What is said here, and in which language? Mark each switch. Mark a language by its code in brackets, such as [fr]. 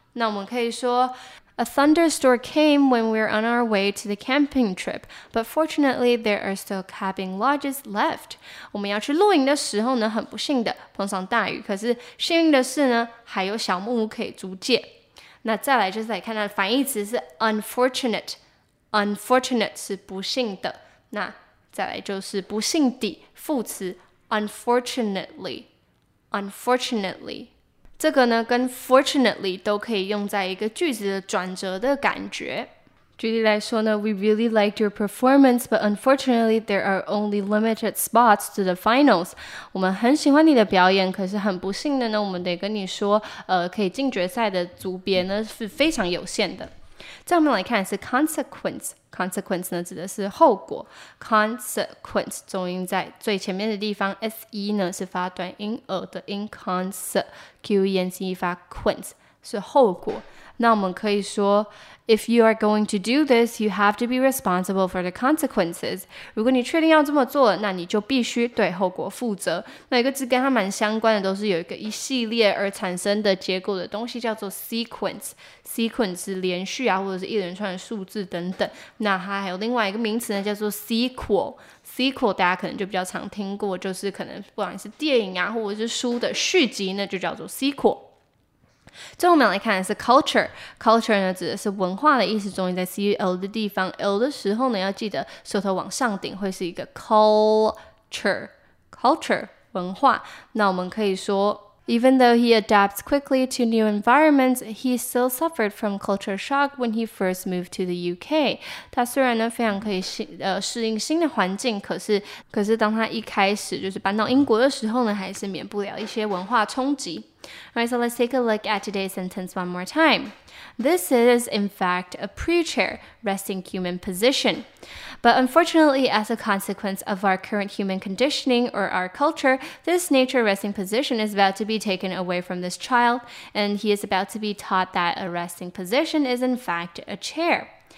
[zh] 那我们可以说 [en] A thunderstorm came when we were on our way to the camping trip, but fortunately there are still cabin lodges left. [zh] 我们要去露营的时候呢很不幸的碰上大雨，可是幸运的是呢还有小木屋可以租借。那再来就是来看它的反义词是 unfortunate 是不幸的，那再来就是不幸的副词 unfortunately。这个呢跟 fortunately 都可以用在一个句子的转折的感觉。举例来说呢 [en] We really liked your performance, but unfortunately there are only limited spots to the finals. [zh] 我们很喜欢你的表演，可是很不幸的呢我们得跟你说可以进决赛的组别呢是非常有限的。再我们来看是 consequence。consequence 呢指的是后果。 consequence 重音在最前面的地方 ,se 呢是发短音 ,e 的音 ,consequence 发 quince 是后果。那我们可以说 [en] ,if you are going to do this, you have to be responsible for the consequences. [zh] 如果你确定要这么做那你就必须对后果负责。那一个字跟它蛮相关的都是有一个一系列而产生的结果的东西叫做 sequence。 sequence 是连续啊或者是一连串的数字等等。那它还有另外一个名词呢叫做 sequel。sequel 大家可能就比较常听过，就是可能不管是电影啊或者是书的续集那就叫做 sequel。最后我们来看的是 culture 呢指的是文化的意思，重音在 cul 的地方 l 的时候呢要记得舌头往上顶，会是一个 culture 文化。那我们可以说 [en] Even though he adapts quickly to new environments, he still suffered from culture shock when he first moved to the UK. [zh] 他虽然呢非常可以适应新的环境，可是当他一开始就是搬到英国的时候呢还是免不了一些文化冲击。 [en] Alright, so let's take a look at today's sentence one more time. This is, in fact, a pre-chair, resting human position. But unfortunately, as a consequence of our current human conditioning or our culture, this nature resting position is about to be taken away from this child, and he is about to be taught that a resting position is, in fact, a chair.